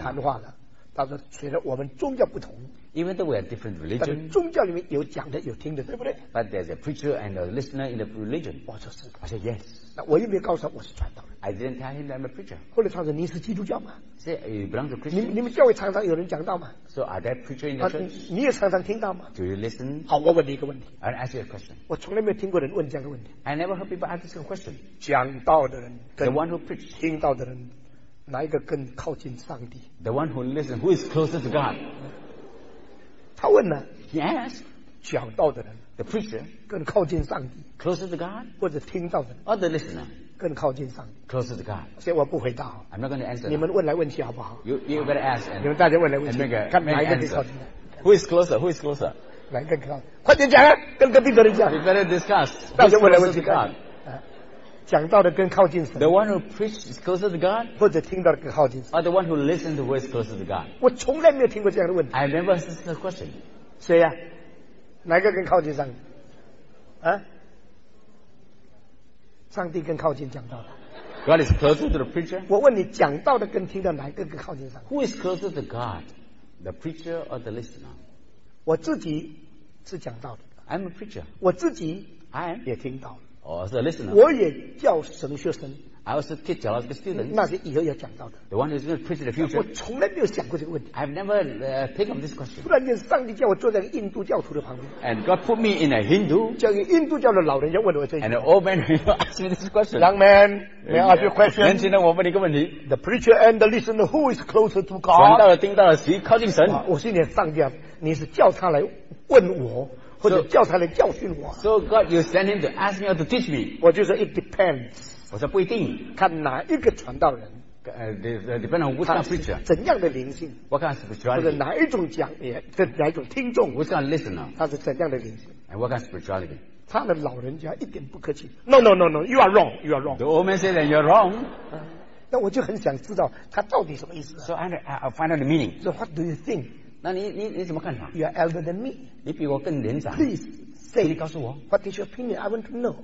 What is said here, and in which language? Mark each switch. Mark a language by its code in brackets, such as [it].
[zh] 谈话了，他说虽然我们宗教不同 [en] ，even though we are different religion， [zh] 但宗教里面有讲的有听的，对不对 [en] ？But there's a preacher and a listener in the religion. [zh] 我说是。 [en] I said yes. [zh] 那我也没告诉他我是传道人。 [en] I didn't tell him that I'm a preacher. [zh] 后来他说你是基督教吗？ [en] Say, you belong to Christians? [zh] 你们教会常常有人讲到吗 [en] ？So are there preacher in the church? [zh] 你也常常听到吗 [en] ？Do you listen? [zh] 好，我问你一个问题。 [en] I'll ask you a question. [zh] 我从来没有听过人问这样的问题。 [en] I never heard people ask this question. [zh] 讲道的人 [en] ，the one who preach， [zh] 听到的人，哪一个更靠近上帝 [en] ？The one who listen， who is closer to God？ [zh] 他问呢 [en] ？He asked. [zh] 讲道的人 [en] ，the preacher， [zh] 更靠近上帝 [en] ，closer to God， [zh] 或者听到的人 [en] ，or the listener。 [zh] 更靠近上帝 [en] Closer to God [zh] 所以我不回答 [en] I'm not going to answer [zh] 你们问来问去好不好 [en] You better ask and, [zh] 你们大家问来问去 [en] make a, [zh] 看哪一个更靠近 [en] Who is closer? Who is closer? [zh] 哪一个更靠近快点讲跟隔壁的人讲 [en] You better discuss [zh] 大家问来问去 God、讲到的更靠近神 [en] The one who preaches is closer to God [zh] 或者听到的更靠近神 [en] Or the one who listens to who is closer to God [zh] 我从来没有听过这样的问题 [en] I never asked this question [zh] 谁呀、啊、哪一个更靠近上帝、啊上帝更靠近讲道的。 [en] God is closer to the preacher. [zh] 我问你，讲道的跟听的哪一个更靠近上帝 [en] ？Who is closer to God, the preacher or the listener? [zh] 我自己是讲道的。 [en] I'm a preacher. [zh] 我自己 [en] ，I am [zh] 也听到了。 [en] Or the listener. [zh] 我也教神学生。 [en] I also teach a lot of students. [zh] 那是以后要讲到的。 [en] The one who is going to preach in the future. [zh] 我从来没有想过这个问题。 [en] I've never think of this question. [zh] 突然间，上帝叫我坐在印度教徒的旁边。 [en] And God put me in a Hindu. [zh] 叫一个印度教的老人家问我这。 [en] And the old man asked me this question. Young man, may I ask you a question? [zh] 年轻人，我问你一个问题。 [en] The preacher and the listener, who is closer to God? [zh] 传道的听到了，谁靠近神？我心里上帝啊，你是叫他来问我。或者叫他来教训我。 [en] So God, you send him to ask me or to teach me. [zh] 我就说 [en] it depends. [zh] 我说不一定。看哪一个传道人。 [en] Depends on which kind of preacher. [zh] 怎样的灵性。 [en] What kind of spirituality. [zh] 或者哪一种讲也，这哪一种听众。 [en] Which kind of listener. [zh] 他是怎样的灵性。 [en] And what kind of spirituality. [zh] 他的老人家一点不客气。 [en] No, you are wrong, you are wrong. The old man said that you are wrong. [zh] 那我就很想知道他到底什么意思。 [en] So I'll find out the meaning. So what do you think? [zh] 那你怎么看法 [en] You are elder than me. [zh] 你比我更年长。 [en] Please say, [zh] 告诉我 [en] What is your opinion? I want to know.